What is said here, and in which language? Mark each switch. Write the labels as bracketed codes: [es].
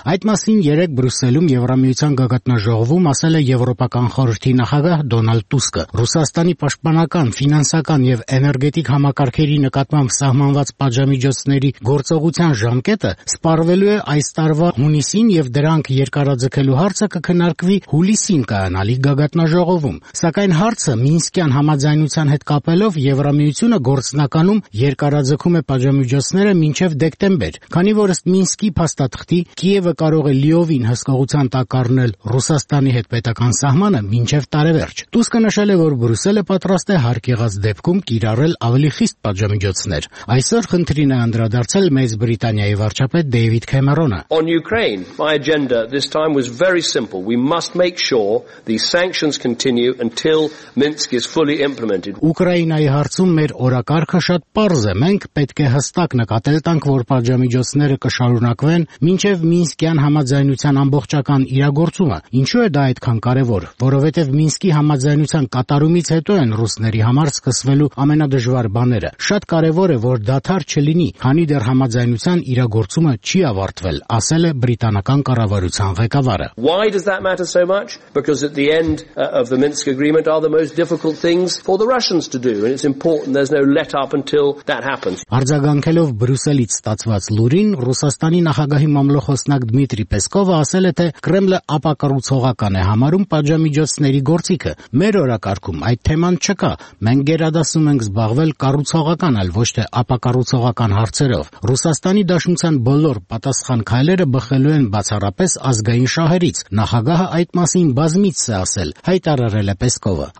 [hy] Այդ մասին երեկ Բրյուսելում Եվրամիության գագաթնաժողովում ասել է Եվրոպական խորհրդի նախագահ Դոնալդ Տուսկը։ Ռուսաստանի պաշտպանական, ֆինանսական և էներգետիկ համակարգերի նկատմամբ սահմանված պատժամիջոցների գործողության ժամկետը սպառվելու է այս տարվա հունիսին, և դրանք երկարաձգելու հարցը կքննարկվի հուլիսին կայանալի գագաթնաժողովում։ Սակայն հարցը Մինսկյան համաձայնության հետ կապելով Եվրամիությունը գործնականում երկարաձգում է պատժամիջոցները մինչև դեկտեմբեր, քանի որ ըստ Մինսկի փաստաթղթի Կիևը կարող է լիովին հսկողության տակ առնել Ռուսաստանի հետ պետական սահմանը մինչև տարեվերջ։ Տուսկը նշել է, որ Բրյուսելը պատրաստ է հարկ եղած դեպքում կիրառել ավելի խիստ պատժամիջոցներ։ Այսօր խնդրին է անդրադարձել Մեծ Բրիտանիայի վարչապետ Դեյվիդ Քեմերոնը։ [en] This time was very simple. We must make sure the sanctions continue until Minsk is fully implemented. [hy] Ուկրաինայի հարցում մեր օրակարգը շատ պարզ է։ Մենք պետք է հստակ նկատել տանք, որ պատժամիջոցները կշարունակվեն մինչև Մինսկյան համաձայնության ամբողջական իրագործումը։ Ինչու է դա այդքան կարևոր, որովհետև Մինսկի համաձայնության կատարումից հետո են ռուսների համար սկսվելու ամենադժվար բաները։ Շատ կարևոր է, որ դադար չլինի, քանի դեռ համաձայնության իրագործումը չի ավարտվել, ասել է բրիտանական կառավարությունը։ ղեկավարը. [en] Why does that matter so much? Because at the end of the Minsk agreement are the most difficult things for the Russians to do and it's important there's no let up until that happens. [hy] Արձագանքելով Բրյուսելից ստացված լուրին, Ռուսաստանի նախագահի մամլոխոսնակ Դմիտրի Պեսկովը ասել է, թե Կրեմլը ապակառուցողական է համարում պատժամիջոցների գործիքը։ Մեր օրակարգում այդ թեման չկա։ Մենք գերադասում ենք զբաղվել կառուցողական, այլ ոչ թե ապակառուցողական հարցերով։ Ռուսաստանի Դաշնության բոլոր պատասխան քայլերը բխելու են բացառապես ազգային շահերից։ Նախագահը այդ մասին բազմից է ասել, հայտարարել է Պեսկովը։